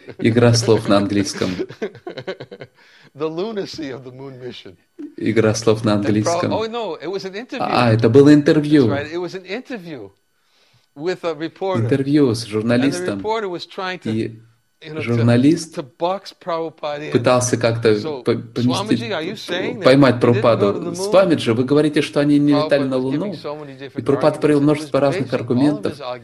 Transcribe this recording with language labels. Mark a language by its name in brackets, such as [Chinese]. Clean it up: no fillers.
[Russian] Игра слов на английском. [English] The lunacy of the moon mission. [Russian] Игра слов на английском. [English] Oh no, it was an interview. [Russian] А, это было интервью. [English] That's right. It was an interview with a reporter. [Russian] Интервью с журналистом. [English] And the reporter was trying to, [Russian] и журналист [English] to box Prabhupada in. [Russian] Пытался как-то поймать Прабхупаду. Свамиджи, вы говорите, что они не летали на Луну? И Прабхупада привел множество разных аргументов.